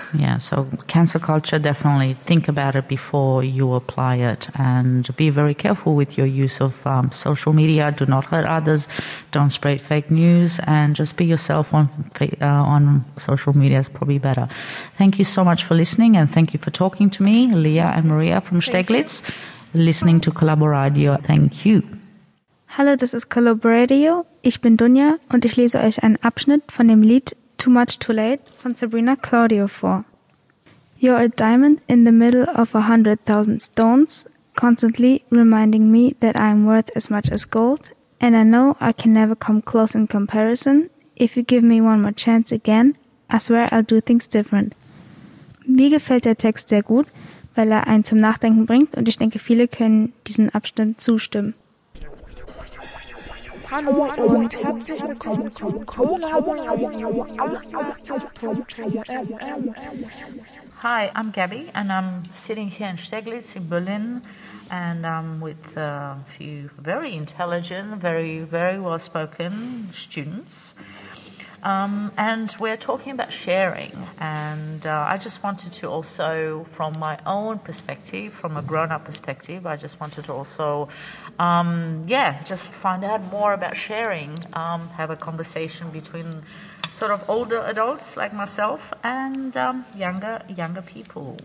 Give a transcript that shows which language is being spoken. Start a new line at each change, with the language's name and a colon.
English: Yeah, so cancel culture, definitely think about it before you apply it, and be very careful with your use of social media. Do not hurt others, don't spread fake news, and just be yourself on social media is probably better. Thank you so much for listening, and thank you for talking to me, Leah and Maria from Steglitz, listening to Collaboradio. Thank you.
German: Hallo, das ist Collaboradio. Ich bin Dunja und ich lese euch einen Abschnitt von dem Lied Too Much Too Late von Sabrina Claudio vor.
English: You're a diamond in the middle of 100,000 stones, constantly reminding me that I'm worth as much as gold, and I know I can never come close in comparison. If you give me one more chance again, I swear I'll do things different.
German: Mir gefällt der Text sehr gut, weil er einen zum Nachdenken bringt und ich denke, viele können diesem Abschnitt zustimmen. Hallo und herzlich willkommen zum Collaboradio 88.4
English: FM. Hi, I'm Gabby and I'm sitting here in Steglitz in Berlin, and I'm with a few very intelligent, very, very well-spoken students. And we're talking about sharing, and I just wanted to also, from my own perspective, from a grown-up perspective, I just wanted to also, just find out more about sharing, have a conversation between sort of older adults like myself and younger people.